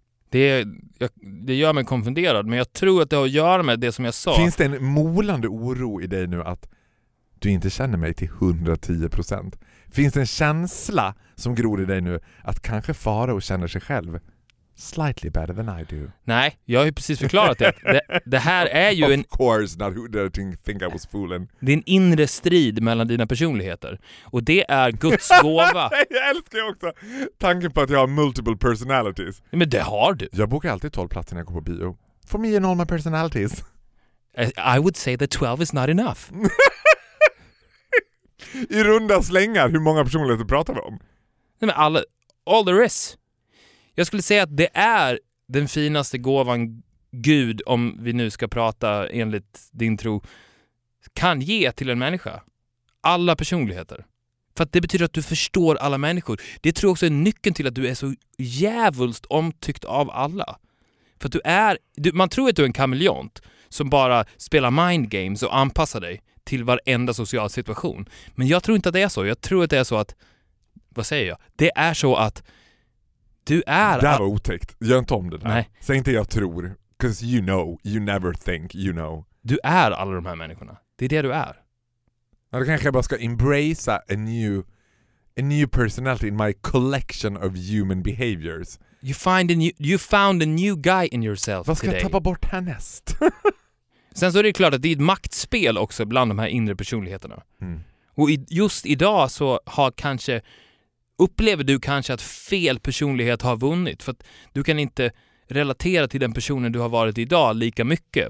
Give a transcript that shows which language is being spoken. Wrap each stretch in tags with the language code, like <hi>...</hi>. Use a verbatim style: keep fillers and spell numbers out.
<sv>Det, jag, det gör mig konfunderad. Men jag tror att det har att göra med det som jag sa. Finns det en molande oro i dig nu att du inte känner mig till hundra tio procent. Finns det en känsla som gror i dig nu att kanske Faro känner sig själv</sv> <en>slightly better than I do?</en> <sv>Nej, jag har ju precis förklarat det. Det, det här är ju</sv> <en>of</en> <sv>en...</sv> <en>Of course, not who did I think I was fooling.</en> <sv>Det är en inre strid mellan dina personligheter. Och det är Guds gåva. Jag älskar ju också tanken på att jag har</sv> <en>multiple personalities.</en> <sv>Men det har du. Jag bokar alltid tolv platser när jag går på bio.</sv> <en>For me and all my personalities. I would say that twelve is not enough.</en> <sv>I runda slängar hur många personligheter pratar vi om? Nej, men alla,</sv> <en>all there is.</en> <sv>Jag skulle säga att det är den finaste gåvan Gud, om vi nu ska prata enligt din tro, kan ge till en människa. Alla personligheter. För att det betyder att du förstår alla människor. Det tror jag också är nyckeln till att du är så jävulst omtyckt av alla. För att du är, du, man tror att du är en kameleont som bara spelar mind games och anpassar dig till varenda social situation. Men jag tror inte att det är så. Jag tror att det är så att... Vad säger jag? Det är så att du är... Det där att... var otäckt. Gör inte om det där. Nej. Säg inte jag tror.</sv> <en>Because you know. You never think. You know.</en> <sv>Du är alla de här människorna. Det är det du är. Ja, då kanske jag bara ska embracea</sv> <en>a new, a new personality in my collection of human behaviors. You, find a new, you found a new guy in yourself</en> <sv>Vad ska</sv> <en>today.</en> <sv>jag tappa bort härnäst? Sen så är det klart att det är ett maktspel också bland de här inre personligheterna. Mm. Och i, just idag så har kanske, upplever du kanske att fel personlighet har vunnit. För att du kan inte relatera till den personen du har varit idag lika mycket.</sv>